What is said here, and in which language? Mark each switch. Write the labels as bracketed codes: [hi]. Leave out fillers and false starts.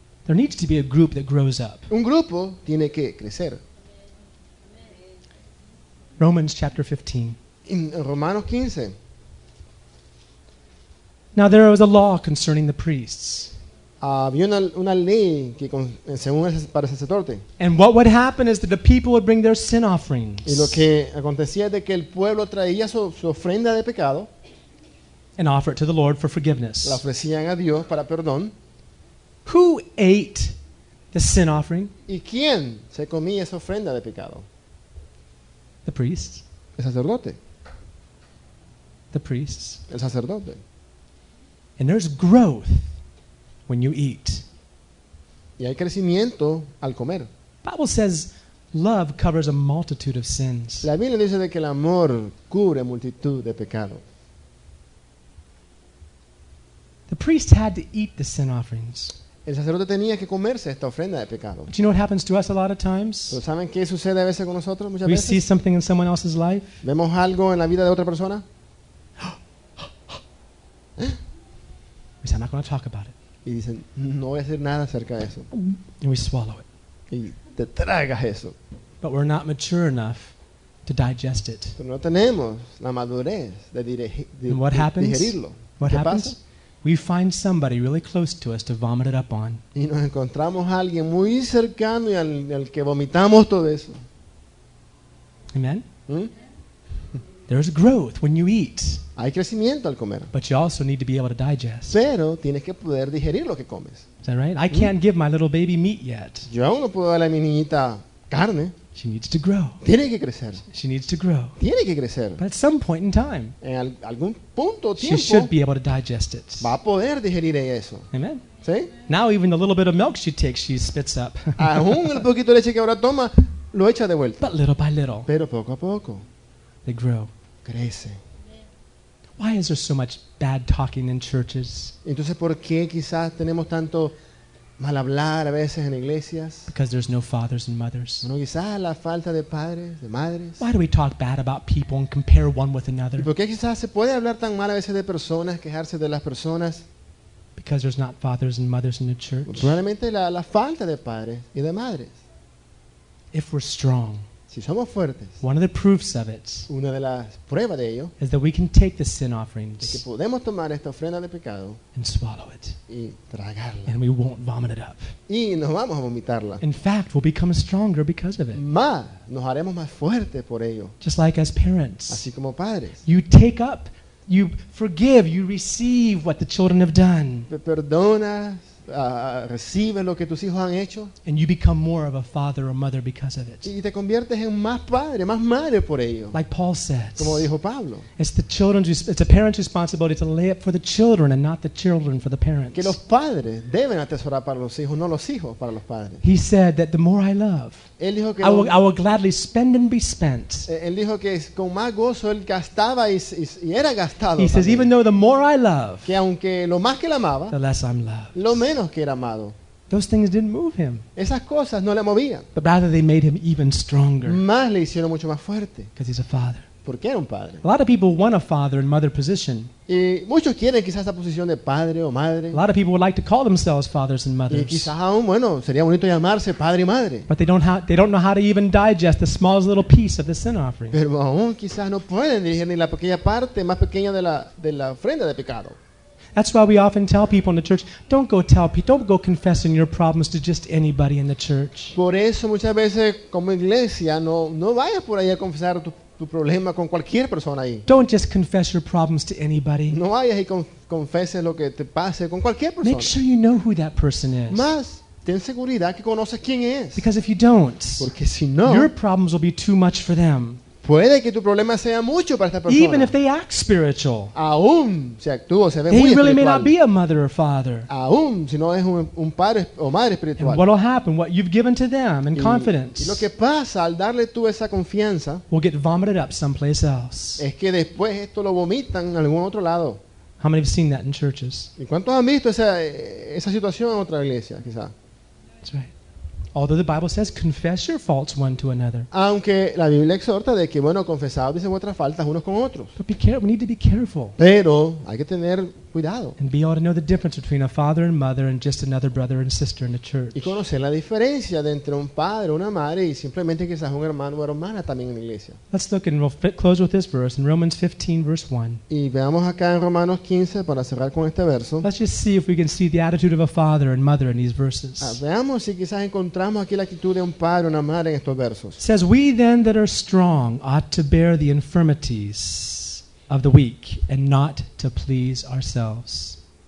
[en] There needs to be a group that grows up. [es] Un grupo tiene que crecer. [en] Romans chapter 15. [es] En Romanos 15. [en] Now there was a law concerning the priests. [es] Había una ley que según para el sacerdote. [en] And what would happen is that the people would bring their sin offerings. [es] Y lo que acontecía es de que el pueblo traía su ofrenda de pecado. [en] And offer it to the Lord for forgiveness. [es] La ofrecían a Dios para perdón. [en] Who ate the sin offering? [es] ¿Y quién se comía esa ofrenda de pecado? [en] The priests. [es] El sacerdote. [en] The priests. [es] El sacerdote. [en] And there's growth when you eat. [es] Y hay crecimiento al comer. [en] Bible says love covers a multitude of sins. [es] La Biblia dice de que el amor cubre multitud de pecados. [en] The priests had to eat the sin offerings. [es] El sacerdote tenía que comerse esta ofrenda de pecado. [en] But you know what happens to us a lot of times? [es] ¿Pero saben qué sucede a veces con nosotros muchas [en] we [es] veces? [en] We see something in someone else's life. [es] Vemos algo en la vida de otra persona. [en] We say, I'm not going to talk about it. [es] Y dicen, no voy a decir nada acerca de eso. [en] And we swallow it. [es] Y te tragas eso. [en] But we're not mature enough to digest it. [es] Pero no tenemos la madurez de digerirlo. [en] What happens? What happens? We find somebody really close to us to vomit it up on. [es] Y nos encontramos a alguien muy cercano y al que vomitamos todo eso. [en] Amen. There's growth when you eat. [es] Hay crecimiento al comer. [en] But you also need to be able to digest. [es] Pero tienes que poder digerir lo que comes. [en] Is that right? I can't give my little baby meat yet. [es] Yo aún no puedo darle a mi niñita carne. [en] She needs to grow. [es] Tiene que crecer. [en] She needs to grow. [es] Tiene que crecer. [en] But at some point in time, [es] en algún punto tiempo, [en] she should be able to digest it. [es] Va a poder digerir eso. [en] Amen. [es] ¿Sí? [en] Now even the little bit of milk she takes, she spits up. [es] Aún el poquito de leche que ahora toma, lo echa de vuelta. [en] But little by little, [es] pero poco a poco, [en] they grow. [es] Crece. [en] Why is there so much bad talking in churches? [es] Entonces, ¿por qué quizás tenemos tanto mal hablar a veces en iglesias? [en] Because there's no fathers and mothers. [es] Bueno, quizás la falta de padres, de madres. [en] Why do we talk bad about people and compare one with another? [es] ¿Por qué quizás se puede hablar tan mal a veces de personas, quejarse de las personas? [en] Because there's not fathers and mothers in the church. [es] Pues probablemente la falta de padres y de madres. [en] If we're strong, [es] si somos fuertes, [en] one of the proofs of it, [es] una de las pruebas de ello, [en] is that we can take the sin offerings, [es] es que podemos tomar esta ofrenda de pecado, [en] and swallow it, [es] y tragarla, [en] and we won't vomit it up, [es] y no vamos a vomitarla. [en] In fact, we'll become stronger because of it. [es] Más, nos haremos más fuertes por ello. [en] Just like as parents, [es] así como padres, [en] you take up, you forgive, you receive what the children have done. [es] Perdonas. Recibe lo que tus hijos han hecho. [en] And you become more of a father or mother because of it. [es] Y te conviertes en más padre, más madre por ello. [en] Like Paul says. [es] Como dijo Pablo. [en] It's a parent's responsibility to lay up for the children and not the children for the parents. [es] Que los padres deben atesorar para los hijos, no los hijos para los padres. [en] He said that the more I love, [es] él dijo que [en] I will gladly spend and be spent. [es] Él dijo que con más gozo él gastaba y era gastado. [en] He says even though the more I love, [es] que aunque lo más que la amaba, [en] the less I'm loved. [es] Lo menos que era amado. [en] Those things didn't move him. [es] Esas cosas no le movían. [en] But rather they made him even stronger. [es] Más le hicieron mucho más fuerte. [en] Because he's a father. [es] Porque era un padre. [en] A lot of people want a father and mother position. [es] Y muchos quieren quizás esa posición de padre o madre. [en] A lot of people would like to call themselves fathers and mothers. [es] Y quizás aún, bueno, sería bonito llamarse padre y madre. [en] But they don't know how to even digest the smallest little piece of the sin offering. [es] Pero aún quizás no pueden digerir ni la pequeña parte más pequeña de la ofrenda de pecado. [en] That's why we often tell people in the church, don't go confessing your problems to just anybody in the church. [es] Por eso muchas veces como iglesia no vayas por ahí a confesar tu problema con cualquier persona ahí. [en] Don't just confess your problems to anybody. [es] No vayas y confeses lo que te pase con cualquier persona. [en] Make sure you know who that person is. [es] Más ten seguridad que conoces quién es. [en] Because if you don't, [es] porque si no, [en] your problems will be too much for them. [es] Puede que tu problema sea mucho para esta persona. [en] Even if they act spiritual, [es] aún si actúa, se ve [en] they [es] muy espiritual. [en] Really may not be a mother or father. [es] Aún si no es un padre o madre espiritual. [en] And what will happen? What you've given to them in confidence. [es] Y lo que pasa al darle tú esa confianza, [en] will get vomited up someplace else. [es] Es que después esto lo vomitan en algún otro lado. [en] How many have seen that in churches? [es] ¿Y cuántos han visto esa situación en otra iglesia, quizá? [en] That's right. Although the Bible says, confess your faults one to another. [es] Aunque la Biblia exhorta de que, bueno, confesados dicen vuestras faltas unos con otros. [en] But we need to be careful. [es] Pero hay que tener cuidado. [en] And be able to know the difference between a father and mother and just another brother and sister in the church. [es] Y conocer la diferencia de entre un padre, una madre y simplemente quizás un hermano o hermana también en la iglesia. [en] Let's look and we'll close with this verse in Romans 15, verse 1. [es] Y veamos acá en Romanos 15 para cerrar con este verso. [en] Let's just see if we can see the attitude of a father and mother in these verses. [es] Veamos si quizás encontramos aquí la actitud de un padre o una madre en estos versos. [en] It says, we then that are strong ought to bear the infirmities of the weak and not to please ourselves.